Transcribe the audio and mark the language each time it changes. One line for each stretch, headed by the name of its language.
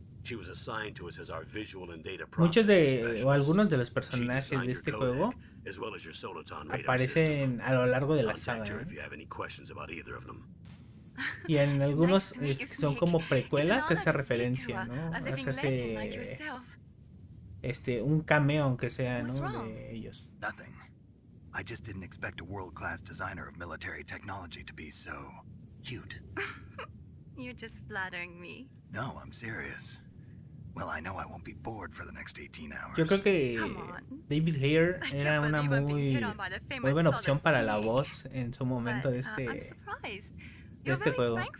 English: She was assigned to us as our visual and data processing specialist.
Spanish: Muchos de, o algunos de los personajes de este juego,
English: as well as your Soliton radar
Spanish: aparecen a lo largo de la saga.
English: If you have any questions about either of them.
Spanish: Y en algunos son como precuelas, hace referencia, ¿no? Hace un cameo aunque sea, ¿no? De ellos.
English: Nothing. I just didn't expect a world-class designer of military technology to be so cute. You're just flattering me. No, I'm serious. Well, I know I won't be bored for the next 18 hours.
Spanish: Yo creo que David Hare era una muy buena opción para la voz en su momento de este juego.